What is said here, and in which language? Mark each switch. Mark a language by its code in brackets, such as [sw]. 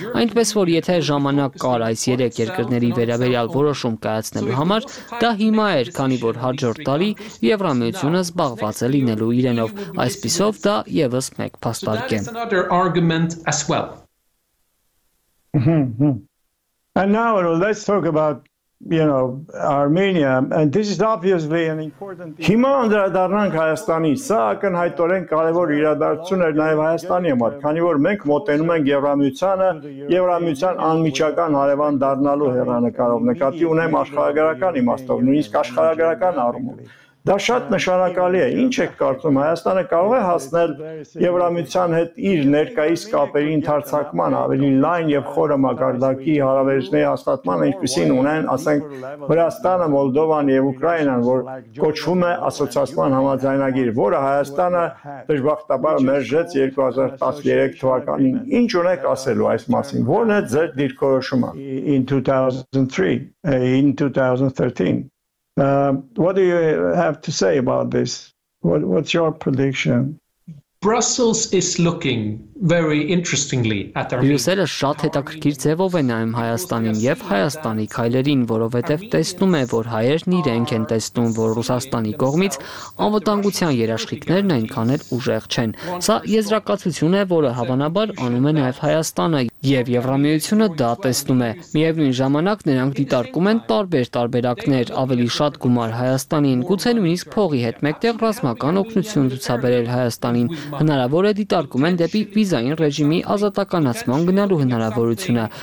[hy] այնպես որ եթե ժամանակ կար այս երեք երկրների վերաբերյալ որոշում կայացնելու համար, դա հիմա էր, քանի որ հաջորդ տարի Եվրամիությունը զբաղված է լինելու իրենով, այսպիսով դա ևս մեկ փաստարկ է։ [en] And now let's talk about, you know, Armenia, and this is obviously an important thing. [hy] Հիմա անդրադառնանք Հայաստանի, սա ակնհայտորեն կարևոր իրադարձություն է նաև Հայաստանի համար, քանի որ մենք մոտենում ենք Եվրամիությանը, Եվրամիության անմիջական հարևան դառնալու հեռանկարով, նկատի ունեմ աշխարհագրական իմաստով, նույնիսկ աշխարհագրական առումով։ Դա շատ նշանակալի է։ Ինչ եք կարծում, Հայաստանը կարող է հասնել Եվրամիության հետ իր ներկայիս կապերի ընդարձակման ավելի լայն եւ խորը մակարդակի հարաբերությունների հաստատման, ինչպեսին ունեն, ասենք, Վրաստանը, Մոլդովան եւ Ուկրաինան, որ կոչվում է ասոցիացիան համաձայնագիր, որը Հայաստանը դժբախտաբար մերժեց 2013 թվականին։ Ինչ ունեք ասելու այս մասին, ո՞րն է ձեր դիրքորոշումը։ [en] In 2013. What do you have to say about this? What's your prediction? Brussels is looking very interestingly at Armenia. [hy] Բրյուսելը շատ հետաքրքիր ձևով է նայում Հայաստանին եւ Հայաստանի քայլերին, որովհետեւ տեսնում է, որ հայերն իրենք են տեսնում, որ Ռուսաստանի կողմից անվտանգության երաշխիքներն այնքան էլ ուժեղ չեն։ Սա եզրակացություն է, որը հավանաբար անում է նաեւ Հայաստանը, եւ Եվրամիությունը դա տեսնում է։ Միևնույն ժամանակ նրանք դիտարկում են տարբեր տարբերակներ, ավելի շատ գումար Հայաստանին, գուցե նույնիսկ փողի հետ մեկտեղ ռազմական օգնություն ցուցաբերել Հայաստանին։ Հնարավոր է դիտարկում են դեպի վիզային ռեժիմի ազատականացման գնալու հնարավորությունը,